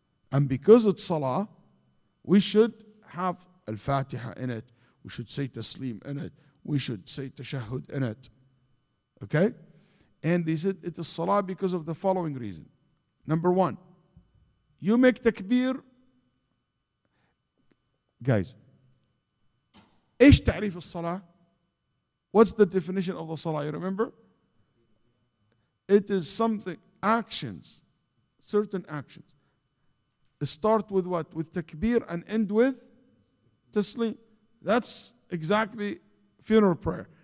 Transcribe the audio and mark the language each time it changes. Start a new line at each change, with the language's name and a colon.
English: And because it's Salah, we should have Al-Fatiha in it. We should say Taslim in it. We should say Tashahud in it. Okay? And they said, it is Salah because of the following reason. Number one, you make Takbir.
Arabic: Guys, ايش تعريف الصلاة?
English: What's the definition of the Salah? You remember? It is something, actions, certain actions. Start with what? With takbir and end with taslim. That's exactly funeral prayer.